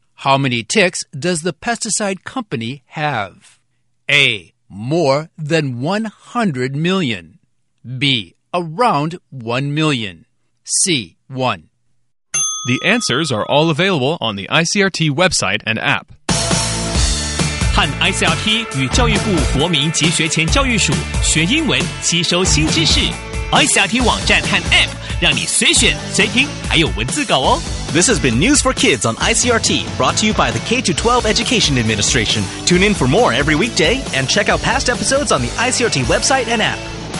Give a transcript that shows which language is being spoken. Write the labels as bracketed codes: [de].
[en] How many ticks does the pesticide company have? A. More than 100 million. B. Around 1 million. C. 1. The answers are all available on the ICRT website and app. [zh] 和 ICRT 与教育部国民及学前教育署学英文吸收新知识 ICRT 网站和 app 让你随选随听，还有文字稿哦。 [en] This has been News for Kids on ICRT, brought to you by the K-12 Education Administration. Tune in for more every weekday and check out past episodes on the ICRT website and app.